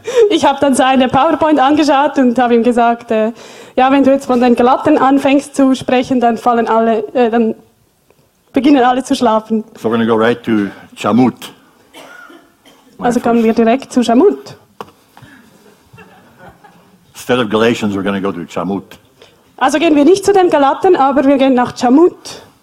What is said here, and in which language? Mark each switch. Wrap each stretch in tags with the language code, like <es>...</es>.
<de>Ich habe dann seine PowerPoint angeschaut und habe ihm gesagt, ja, wenn du jetzt von den Galaten anfängst zu sprechen, dann fallen alle, dann beginnen alle zu schlafen.</de> <en>So we're going to go right to Chamut.</en> <de>Also kommen wir direkt zu Chamut.</de> <en>Instead of Galatians, we're going to go to Chamut.</en> <de>Also gehen wir nicht zu den Galaten, aber wir gehen nach Chamut.</de>